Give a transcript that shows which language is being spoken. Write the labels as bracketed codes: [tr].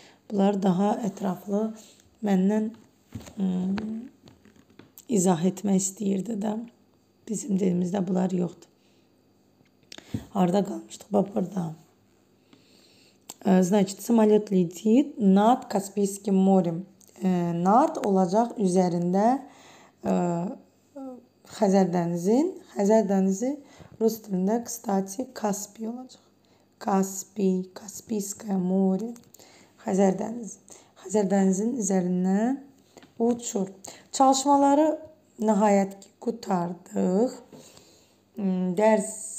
[az] Bunlar daha ətraflı məndən izah etmək istəyirdi də. Bizim dilimizdə bunlar yoxdur. Arada qalmışdıq, bax burada. [ru] Значит, самолет летит над Каспийским морем. Над [az] olacaq üzərində Xəzər dənizin. Xəzər dənizi rus dilində, [ru] кстати, [az] Каспий olacaq. [ru] Каспий, Каспийское море. [az] Xəzər dənizi. Xəzər dənizin üzərindən uçur. Çalışmaları nəhayət ki, qurtardıq. Dərs